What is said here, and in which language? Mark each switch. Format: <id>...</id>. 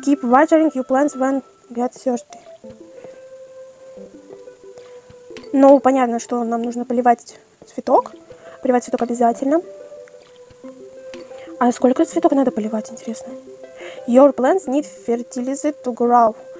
<en>Keep watering your plants when get thirsty.</en> <ru>Ну, понятно, что нам нужно поливать цветок. Поливать цветок обязательно. А сколько цветок надо поливать, интересно?</ru> <en>Your plants need fertilizer to grow.</en>